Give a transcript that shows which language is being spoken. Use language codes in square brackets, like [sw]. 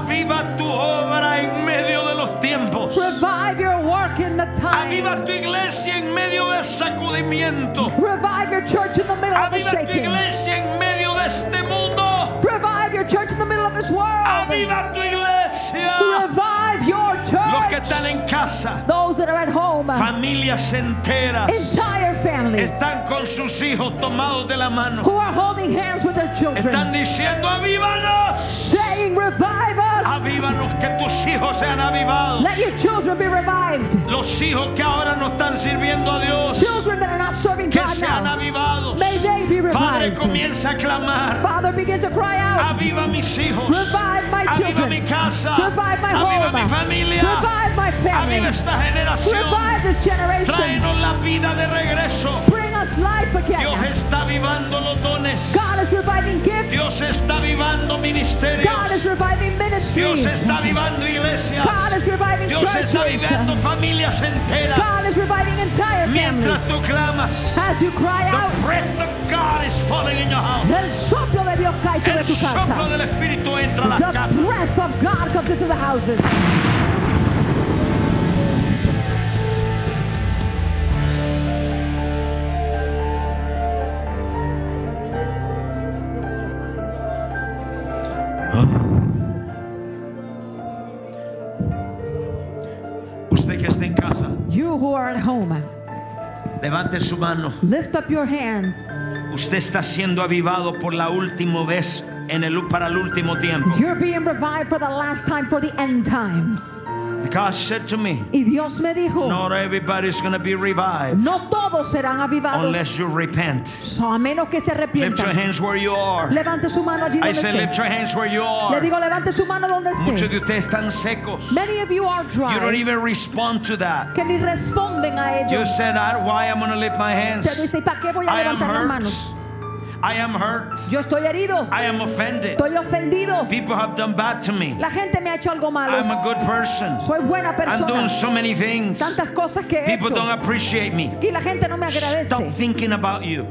[es] Aviva tu obra en medio de los tiempos. [en] Revive your work in the time. [es] Aviva tu iglesia en medio del sacudimiento. [en] Revive your church in the middle [es] aviva [en] of the shaking. [es] Aviva tu iglesia en medio de este mundo. [en] Revive your church in the middle of this world. [es] Aviva tu iglesia. [en] Revive your church. [es] Los que están en casa. [en] Those that are at home. [es] Familias enteras. [en] Entire families. [es] Están con sus hijos tomados de la mano. [en] Who are holding hands with their children. [es] Están diciendo, avívanos. [en] Saying, revive us. [es] Avívanos, que tus hijos sean avivados. [en] Let your children be revived. [es] Los hijos que ahora no están sirviendo a Dios. [en] Children that are not serving [es] que [en] God [es] sean [en] now. [es] Avivados. [en] May they be revived. [es] Padre, comienza a clamar. [en] Father, begin to cry out. [es] Aviva mis hijos. [en] Revive my children. [es] Aviva mi casa. [en] Revive my [es] aviva [en] home. [es] Mi familia. [en] Revive my family. [es] Aviva esta generación. [en] Revive this generation. [es] Tráenos la vida de regreso. [en] Bring us life again. [es] Dios está avivando los dones. [en] God is reviving gifts. [es] Dios está avivando ministerios. [en] God is reviving ministries. [es] Dios está avivando iglesias. [en] God is reviving [es] Dios [en] churches. [es] Está avivando familias enteras. [en] God is reviving entire families. [es] Mientras tú clamas. [en] As you cry the out. The breath of God is falling in your house. [es] El soplo del Espíritu entra a las casas. [en] The breath of God comes into the houses. [es] Usted que está en casa. [en] You who are at home. [es] Levante su mano. [en] Lift up your hands. [es] Usted está siendo avivado por la última vez en el para el último tiempo. [en] You're being revived for the last time, for the end times. God said to me, [es] y Dios me dijo, [en] not everybody's going to be revived. [es] No todos serán avivados. [en] Unless you repent. [es] So, a menos que se arrepientan. [en] Lift your hands where you are. [es] Levante su mano allí donde [en] I said, lift your hands where you are. [es] Le digo, levante su mano donde esté. Muchos de ustedes están secos. [en] Many of you are dry. You don't even respond to that. [es] Que ni responden a ellos. [en] You said, why am I going to lift my hands? [es] Te dice, ¿para qué voy a levantar las manos? [en] I am hurt. [es] Yo estoy herido. [en] I am offended. [es] Estoy ofendido. [en] People have done bad to me. [es] La gente me ha hecho algo malo. [en] I'm a good person. [es] Soy buena persona. [en] I'm doing so many things. [es] Tantas cosas que he [en] People [es] hecho. [en] Don't appreciate me. [es] Y la gente no me agradece. [en] Stop thinking about you.